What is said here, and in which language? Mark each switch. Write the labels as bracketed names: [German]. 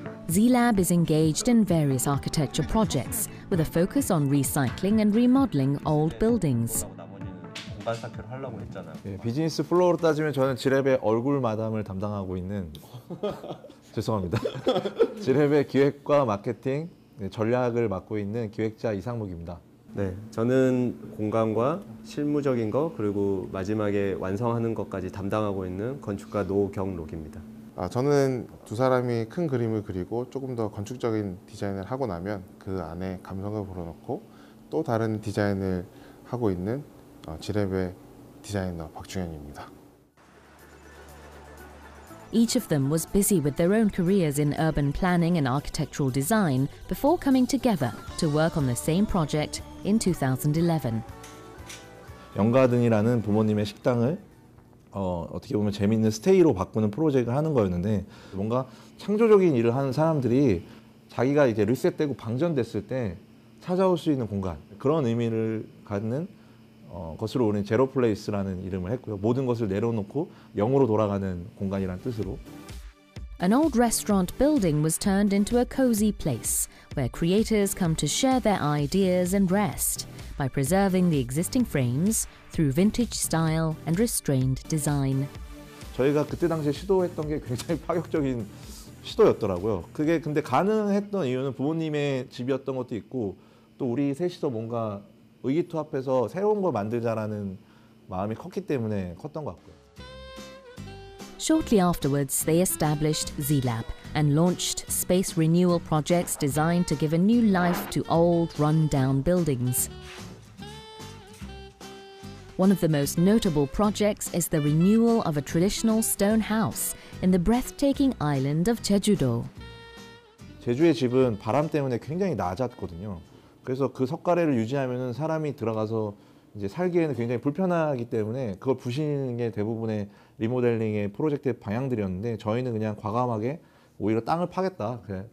[English] Z-Lab is engaged in various architecture projects with a focus on recycling and remodeling old buildings. [Korean] 공간사태를 하려고 했잖아요. 예, 비즈니스 플로어로 따지면 저는 지랩의 얼굴 마담을 담당하고 있는 죄송합니다. 지랩의 기획과 마케팅 전략을 맡고 있는 기획자 이상목입니다. 네, 저는 공간과 실무적인 거 그리고 마지막에 완성하는 것까지 담당하고 있는 건축가 노경록입니다. 아, 저는 두 사람이 큰 그림을 그리고 조금 더 건축적인 디자인을 하고 나면 그 안에 감성을 불어넣고 또 다른 디자인을 하고 있는 지랩의 디자이너 박중현입니다. [English] Each of them was busy with their own careers in urban planning and architectural design before coming together to work on the same project in 2011. [Korean] 영가든이라는 부모님의 식당을 어떻게 보면 재미있는 스테이로 바꾸는 프로젝트를 하는 거였는데 뭔가 창조적인 일을 하는 사람들이 자기가 이제 리셋되고 방전됐을 때 찾아올 수 있는 공간 그런 의미를 갖는 것으로 우리는 제로플레이스라는 이름을 했고요. 모든 것을 내려놓고 영으로 돌아가는 공간이라는 뜻으로. [English] An old restaurant building was turned into a cozy place where creators come to share their ideas and rest by preserving the existing frames through vintage style and restrained design. [Korean] 저희가 그때 당시에 시도했던 게 굉장히 파격적인 시도였더라고요. 그게 근데 가능했던 이유는 부모님의 집이었던 것도 있고 또 우리 셋이서 뭔가 의기투합해서 새로운 걸 만들자라는 마음이 컸기 때문에 컸던 것 같고요. [English] Shortly afterwards, they established Z-Lab and launched space renewal projects designed to give a new life to old, run-down buildings. One of the most notable projects is the renewal of a traditional stone house in the breathtaking island of Jeju-do. [Korean] 제주의 집은 바람 때문에 굉장히 낮았거든요. 그래서 그 석가래를 유지하면 사람이 들어가서 이제 살기에는 굉장히 불편하기 때문에 그걸 부시는 게 대부분의 리모델링의 프로젝트의 방향들이었는데 저희는 그냥 과감하게 오히려 땅을 파겠다. 그래.